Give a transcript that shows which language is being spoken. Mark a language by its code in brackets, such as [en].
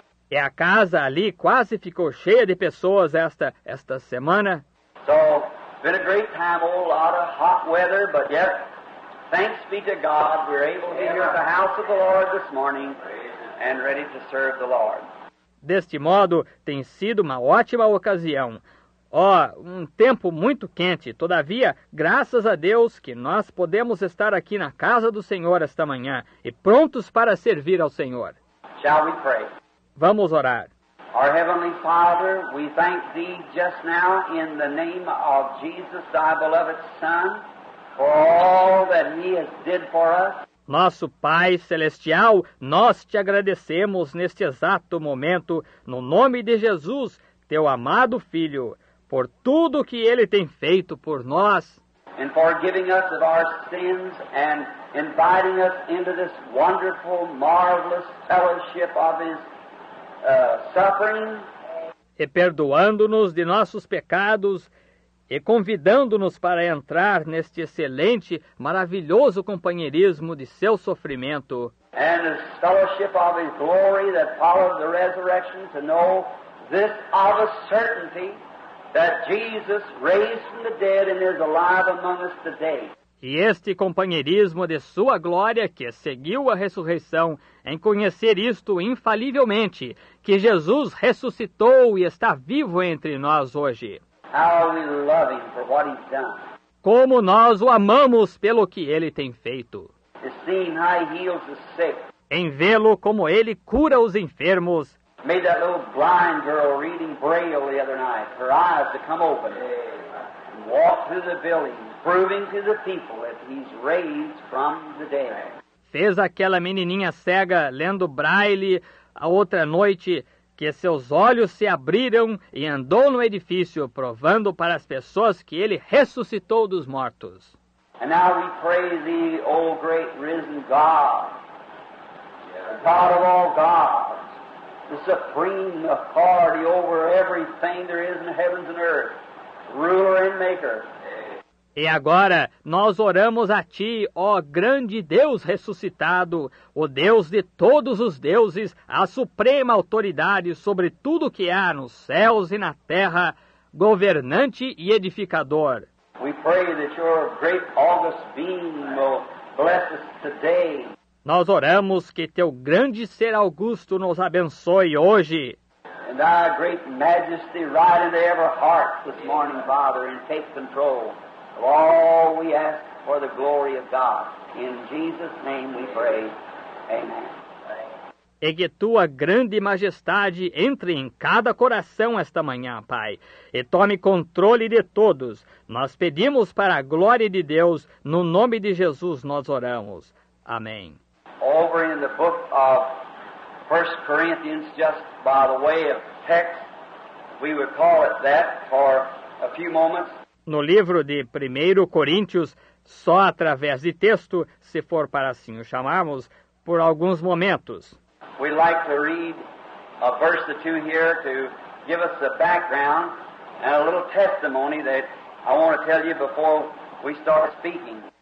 [pt] E a casa ali quase ficou cheia de pessoas esta semana. [en] So, been a great time, a lot of hot weather, but yet, thanks be to God, we're able to be here at the house of the Lord this morning and ready to serve the Lord. [pt] Deste modo, tem sido uma ótima ocasião. Oh, um tempo muito quente. Todavia, graças a Deus que nós podemos estar aqui na casa do Senhor esta manhã e prontos para servir ao Senhor. [en] Shall we pray? [pt] Vamos orar. [en] Our Heavenly Father, we thank Thee just now in the name of Jesus, Thy beloved Son, for all that He has did for us. [pt] Nosso Pai Celestial, nós te agradecemos neste exato momento, no nome de Jesus, teu amado Filho, por tudo que Ele tem feito por nós. [en] And for giving us of our sins and inviting us into this wonderful, marvelous fellowship of His suffering. [pt] E perdoando-nos de nossos pecados e convidando-nos para entrar neste excelente, maravilhoso companheirismo de seu sofrimento. [en] And the fellowship of His glory that follows the resurrection, to know this of a certainty that Jesus raised from the dead and is alive among us today. [pt] E este companheirismo de sua glória que seguiu a ressurreição, em conhecer isto infalivelmente, que Jesus ressuscitou e está vivo entre nós hoje. [en] How we love Him for what He's done. [pt] Como nós o amamos pelo que Ele tem feito. [en] Seeing how He heals the sick. [pt] Em vê-lo como Ele cura os enfermos. [en] Made that little blind girl reading Braille the other night, her eyes to come open. And walk through the village, proving to the people that He's raised from the dead. [pt] Fez aquela menininha cega lendo Braille a outra noite, que seus olhos se abriram e andou no edifício, provando para as pessoas que Ele ressuscitou dos mortos. [en] And now we pray Thee, O great risen God, the God of all gods, the supreme authority over everything there is in heavens and earth, ruler and maker. [pt] E agora nós oramos a Ti, ó grande Deus ressuscitado, o Deus de todos os deuses, a suprema autoridade sobre tudo que há nos céus e na terra, governante e edificador. [en] We pray that your great august being will bless us today. [pt] Nós oramos que Teu grande ser augusto nos abençoe hoje. [en] And Thy great majesty ride into every heart this morning, Father, and take control. All we ask for the glory of God. In Jesus' name we pray. Amen. [pt] E que Tua grande majestade entre em cada coração esta manhã, Pai, e tome controle de todos. Nós pedimos para a glória de Deus, no nome de Jesus nós oramos. Amém. [en] Over in the book of 1 Corinthians, just by the way of text, we would call it that for a few moments. [pt] No livro de 1 Coríntios, só através de texto, se for para assim o chamarmos, por alguns momentos. [en] We like to read a verse or two here to give us the background and a little testimony that I want to tell you before we start speaking.